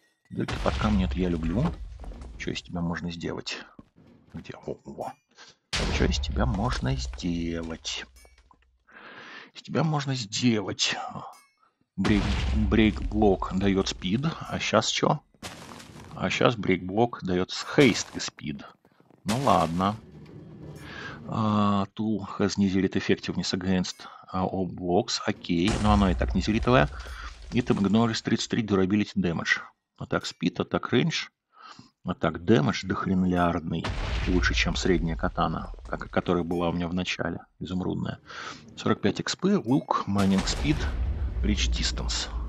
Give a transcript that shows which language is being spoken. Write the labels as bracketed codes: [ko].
[ru] Дырки под камни, это я люблю. Что из тебя можно сделать? Где? О-о-о. Что из тебя можно сделать? Из тебя можно сделать. Брейк-блок дает спид. А сейчас что? А сейчас брейк-блок дает хейст и спид. Ну ладно. [en] Tool has nezirit effectiveness against all blocks. [ru] Окей. Но оно и так незиритовое. [en] It ignores 33 durability damage. [ru] Атак спид, атак рейндж, атак дэмэдж дохренлярный, лучше, чем средняя катана, которая была у меня в начале, изумрудная. 45 экспы, лук, майнинг спид, рич дистанс.